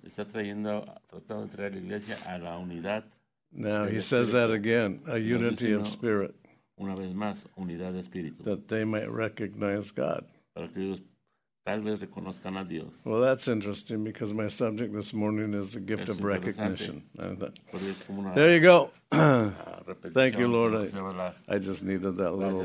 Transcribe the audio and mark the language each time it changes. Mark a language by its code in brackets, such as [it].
[es] Está trayendo, tratando de traer la iglesia a la unidad. [en] Now he says that again, a unity of spirit. [es] una vez más, unidad de espíritu. [en] That they might recognize God. [es] Para que ellos tal vez reconozcan a Dios. [en] Well, that's interesting because my subject this morning is the gift of recognition. There you go. Thank you, Lord. I just needed that little.